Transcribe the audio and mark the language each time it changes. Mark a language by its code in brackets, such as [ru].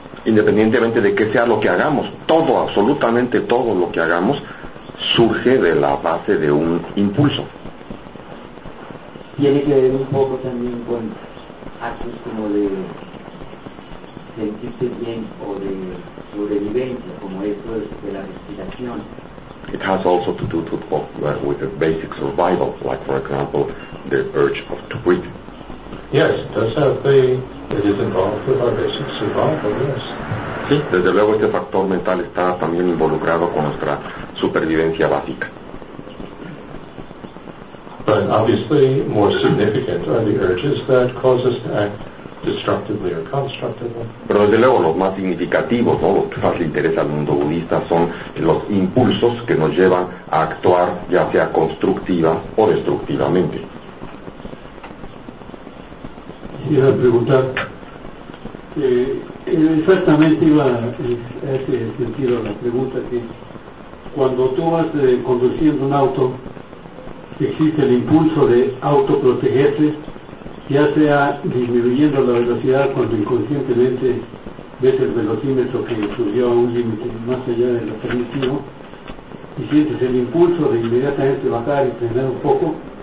[es] Independientemente de qué sea lo que hagamos, todo, absolutamente todo lo que hagamos, surge de la base de un impulso. Tiene que ver un poco también con actos como de sentirse bien o de sobrevivencia, como esto de la respiración. [en] It has also to do with a basic survival, like, for example, the urge of to breathe. Yes, it is involved with our basic survival, yes. [es] Sí, desde luego este factor mental está también involucrado con nuestra supervivencia básica. [en] But then obviously more significant are the urges that cause us to act destructively or constructively. [es] Pero desde luego los más significativos, ¿no? Los que más le interesa al mundo budista son los impulsos que nos llevan a actuar ya sea constructiva o destructivamente. Y la pregunta, exactamente iba a ese sentido la pregunta, que cuando tú vas conduciendo un auto, existe el impulso de autoprotegerse, ya sea disminuyendo la velocidad cuando inconscientemente ves el velocímetro que subió a un límite más allá de lo permitido, y sientes el impulso de inmediatamente bajar y frenar un poco.